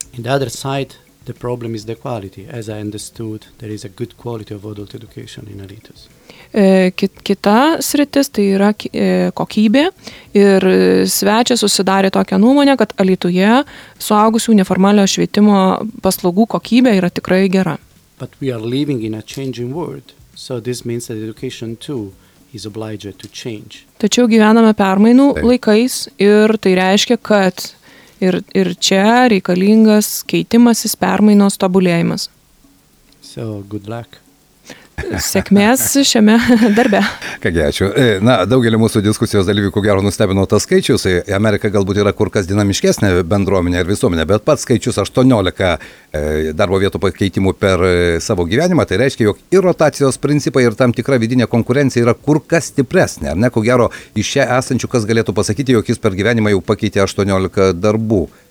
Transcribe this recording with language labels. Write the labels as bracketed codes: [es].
[en] In the other side, the problem is the quality. As I understood, there is a good quality of adult education in Alitos. [lt] Kita sritis, tai yra kokybė, ir svečia susidarė tokią nuomonę, kad Alytuje suaugusių neformalio švietimo paslaugų kokybė yra tikrai gera. [en] But we are living in a changing world, so this means that education too is obliged to change. [lt] Tačiau gyvename permainų laikais, ir tai reiškia, kad ir čia reikalingas keitimasis, permainos, tobulėjimas. [en] So, good luck. [lt] Sėkmės šiame darbe. Kągi, ačiū. Na, daugelį mūsų diskusijos dalyvių, ko gero, nustebino tas skaičius. Amerika galbūt yra kur kas dinamiškesnė bendruomenė ir visuomenė, bet pats skaičius 18 darbo vietų pakeitimų per savo gyvenimą, tai reiškia, jog ir rotacijos principai, ir tam tikra vidinė konkurencija yra kur kas stipresnė. Ar ne, ko gero, iš čia esančių kas galėtų pasakyti, jog jis per gyvenimą jau pakeitė 18 darbų.